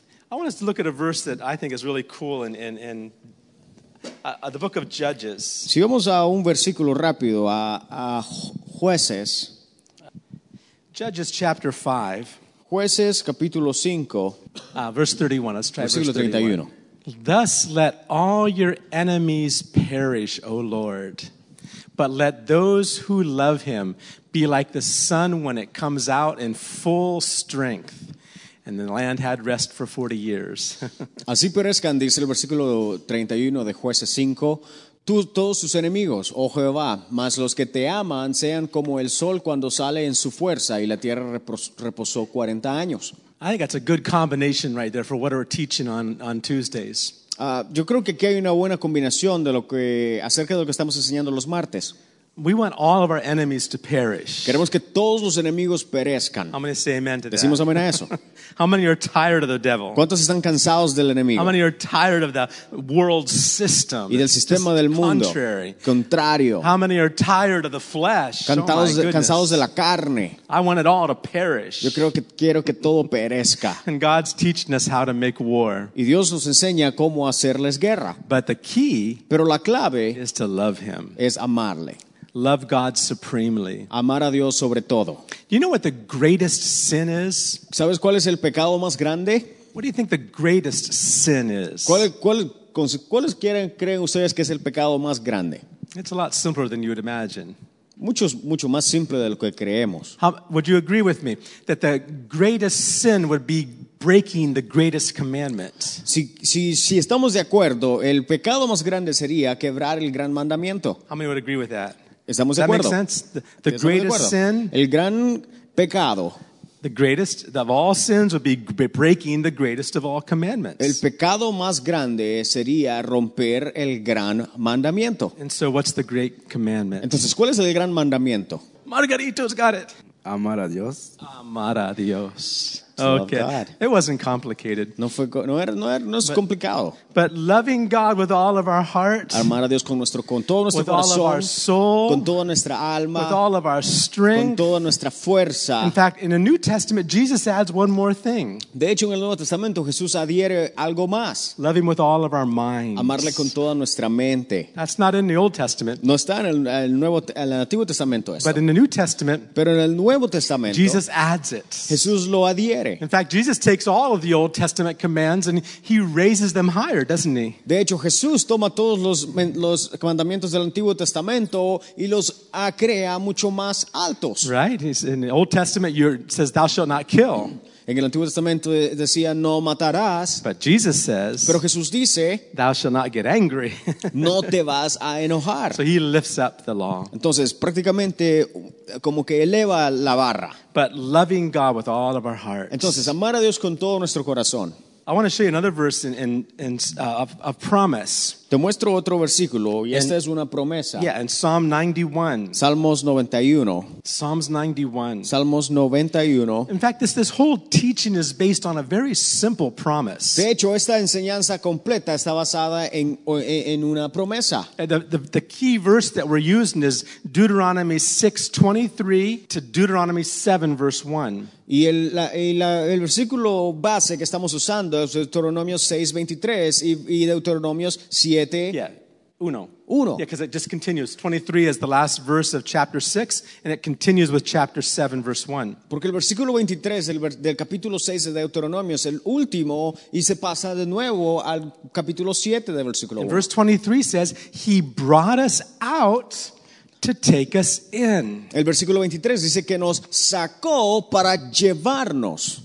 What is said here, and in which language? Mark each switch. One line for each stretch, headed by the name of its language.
English: I want us to look at a verse that I think is really cool in the book of Judges.
Spanish: Si vamos a un versículo rápido, a Jueces.
English: Judges chapter 5.
Spanish: Jueces capítulo 5.
English: Verse 31. Let's try
Spanish: versículo
English: verse 31.
Spanish: 31.
English: Thus let all your enemies perish, O Lord. But let those who love him be like the sun when it comes out in full strength. And the land had rest for 40 years.
Spanish: Así perezcan, dice el versículo 31 de Jueces 5. Tú, todos sus enemigos, oh Jehová, mas los que te aman sean como el sol cuando sale en su fuerza y la tierra reposó 40 años.
English: I think that's a good combination right there for what we're teaching on Tuesdays.
Spanish: Yo creo que aquí hay una buena combinación acerca de lo que estamos enseñando los martes.
English: We want all of our enemies to perish.
Spanish: Queremos que todos los enemigos perezcan.
English: How many say amen to that?
Spanish: Decimos amén a eso.
English: How many are tired of the devil?
Spanish: ¿Cuántos están cansados del enemigo?
English: How many are tired of the world system?
Spanish: Y del sistema del mundo.
English: Contrary.
Spanish: Contrario.
English: How many are tired of the flesh?
Spanish: Cansados de la carne.
English: I want it all to perish.
Spanish: Yo creo que quiero que todo perezca.
English: And God's teaching us how to make war.
Spanish: Y Dios nos enseña cómo hacerles guerra.
English: But the key,
Spanish: pero la clave,
English: is to love him.
Spanish: Es amarle.
English: Love God supremely.
Spanish: Amar a Dios sobre todo.
English: You know what the greatest sin is?
Spanish: ¿Sabes cuál es el pecado más grande?
English: What do you think the greatest sin is?
Spanish: ¿Cuáles creen ustedes que es el pecado más grande?
English: It's a lot simpler than you would imagine.
Spanish: Mucho más simple de lo que creemos.
English: Would you agree with me that the greatest sin would be breaking the greatest commandment?
Spanish: Si estamos de acuerdo, el pecado más grande sería quebrar el gran mandamiento.
English: How many would agree with that?
Spanish: Estamos de acuerdo.
English: That makes sense. The greatest sin.
Spanish: El gran pecado.
English: The greatest of all sins would be breaking the greatest of all commandments.
Spanish: El pecado más grande sería romper el gran mandamiento.
English: And so what's the great commandment?
Spanish: Entonces, ¿cuál es el gran mandamiento?
English: Margarito's got it.
Spanish: Amar a Dios. Amar a Dios.
English: Okay. It wasn't complicated.
Spanish: No es complicado.
English: But loving God with all of our heart.
Spanish: Amar a Dios con todo nuestro corazón.
English: With all of our soul.
Spanish: Con toda nuestra alma.
English: With all of our strength.
Spanish: Con toda nuestra fuerza.
English: In fact, in the New Testament, Jesus adds one more thing.
Spanish: De hecho, en el Nuevo Testamento, Jesús adhiere algo más.
English: Love him with all of our minds.
Spanish: Amarle con toda nuestra mente.
English: That's not in the Old Testament.
Spanish: No está en el Antiguo Testamento eso.
English: But in the New Testament.
Spanish: Pero en el Nuevo Testamento.
English: Jesus adds it.
Spanish: Jesús lo adhiere.
English: In fact, Jesus takes all of the Old Testament commands and he raises them higher, doesn't he?
Spanish: De hecho, Jesús toma todos los mandamientos del Antiguo Testamento y los crea mucho más altos.
English: Right? In the Old Testament, it says, "Thou shalt not kill."
Spanish: En el Antiguo Testamento decía, "No matarás."
English: But Jesus says,
Spanish: pero Jesús dice,
English: "Thou shalt not get angry."
Spanish: No te vas a enojar.
English: So he lifts up the law.
Spanish: Entonces, prácticamente, como que eleva la barra.
English: But loving God with all of our hearts.
Spanish: Entonces, amar a Dios con todo nuestro corazón.
English: I want to show you another verse in a promise.
Spanish: Te muestro otro versículo y esta es una promesa.
English: Yeah, in Psalm 91.
Spanish: Salmos 91.
English: Psalms 91.
Spanish: Salmos 91.
English: In fact, this whole teaching is based on a very simple promise.
Spanish: De hecho, esta enseñanza completa está basada en una promesa.
English: The key verse that we're using is Deuteronomy 6:23 to Deuteronomy 7 verse 1.
Spanish: Y el versículo base que estamos usando es Deuteronomio 6:23 y Deuteronomio 7.
English: Yeah. Uno.
Spanish: Uno.
English: Yeah, because it just continues. 23 is the last verse of chapter 6, and it continues with chapter 7, verse 1.
Spanish: Porque el versículo 23 del capítulo 6 de Deuteronomio es el último, y se pasa de nuevo al capítulo 7 del versículo 1.
English: And verse 23 says, "He brought us out to take us in."
Spanish: El versículo 23 dice que nos sacó para llevarnos.